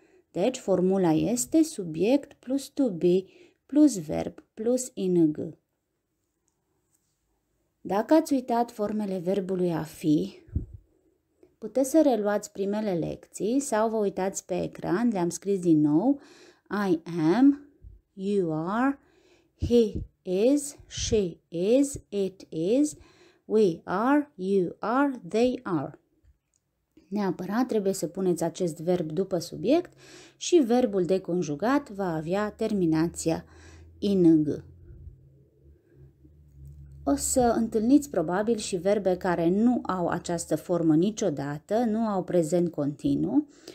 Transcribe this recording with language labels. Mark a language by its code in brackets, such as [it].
[ro] Deci, formula este subiect plus to be plus verb plus ing. Dacă ați uitat formele verbului a fi, puteți să reluați primele lecții sau vă uitați pe ecran, le-am scris din nou. [en] I am, you are, he is, she is, it is, we are, you are, they are. [ro] Neapărat trebuie să puneți acest verb după subiect și verbul de conjugat va avea terminația ing. O să întâlniți probabil și verbe care nu au această formă niciodată, nu au prezent continuu.